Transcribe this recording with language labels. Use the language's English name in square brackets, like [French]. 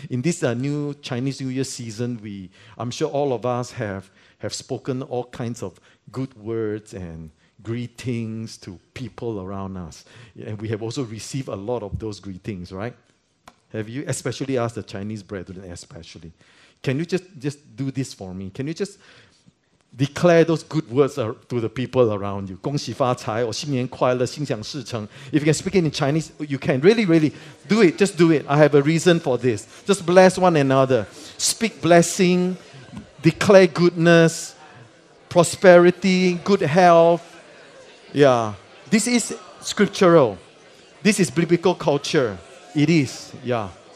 [English] In this new Chinese New Year season, I'm sure all of us have spoken all kinds of good words and greetings to people around us. And we have also received a lot of those greetings, right? Have you? Especially us, the Chinese brethren, especially. Can you just do this for me? Can you just declare those good words to the people around you? [Chinese] 恭喜发财, [English] or [Chinese] 新年快乐, 心想事成. [English] If you can speak it in Chinese, you can. Really, really. Do it. Just do it. I have a reason for this. Just bless one another. Speak blessing. Declare goodness, prosperity, good health. Yeah. This is scriptural. This is biblical culture. It is. Yeah.